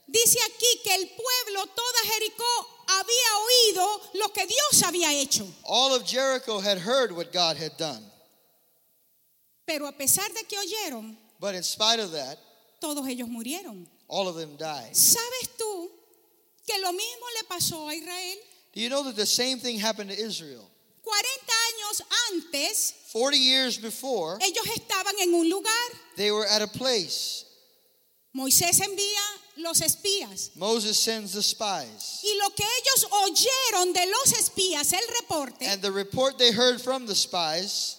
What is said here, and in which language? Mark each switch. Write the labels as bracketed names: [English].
[Spanish] Dice aquí que el pueblo, toda Jericó, había oído lo que Dios había hecho. [English] All of Jericho had heard what God had done. [Spanish] Pero a pesar de que oyeron, [English] but in spite of that, [Spanish] todos ellos murieron. [English] All of them died. [Spanish] ¿Sabes tú que lo mismo le pasó a Israel? [English] Do you know that the same thing happened to Israel? [Spanish] 40 años antes, [English] 40 years before, [Spanish] ellos estaban en un lugar. [English] They were at a place. [Spanish] Moisés envía los espías. [English] Moses sends the spies. [Spanish] Y lo que ellos oyeron de los espías, el reporte, [English] and the report they heard from the spies,